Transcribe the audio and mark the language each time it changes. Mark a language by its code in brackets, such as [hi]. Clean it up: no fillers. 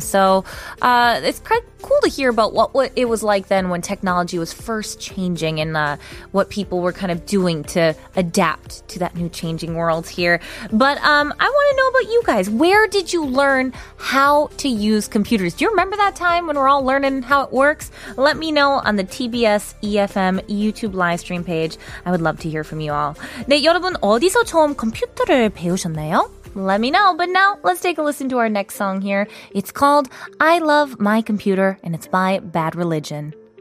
[en] So it's quite cool to hear about what it was like then when technology was first changing and what people were kind of doing to adapt to that new changing world here. But I want to know about you guys. Where did you learn how to use computers? Do you remember that time when we're all learning how it works? Let me know on the TBS EFM YouTube live stream page. I would love to hear from you all. [ko] 네, 여러분 어디서 처음 컴퓨터를 배우셨나요? [en] Let me know. But now, let's take a listen to our next song here. It's called I Love My Computer, and it's by Bad Religion.